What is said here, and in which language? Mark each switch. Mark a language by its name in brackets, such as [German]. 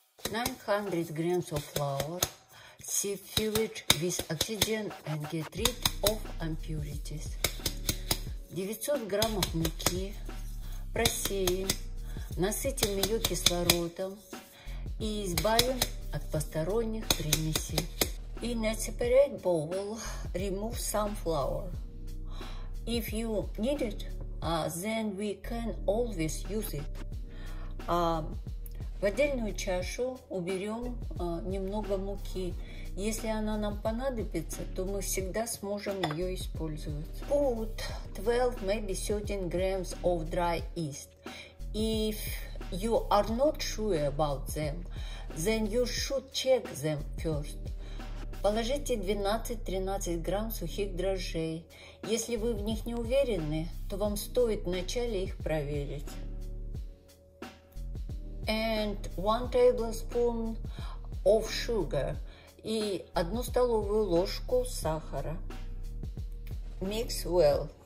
[English] 900 grams of flour, sieve, fill it with oxygen and get rid of impurities. [Russian] 900 граммов муки, просеем, насытим ее кислородом и избавим от посторонних примесей. [English] In a separate bowl, remove some flour. If you need it, then we can always use it. [Russian] В отдельную чашу уберем немного муки. Если она нам понадобится, то мы всегда сможем ее использовать. [English] Put 12, maybe 13 grams of dry yeast. If you are not sure about them, then you should check them first. [Russian] Положите 12-13 грамм сухих дрожжей. Если вы в них не уверены, то вам стоит вначале их проверить. [English] And 1 tablespoon of sugar [Russian] и 1 столовую ложку сахара. [English] Mix well.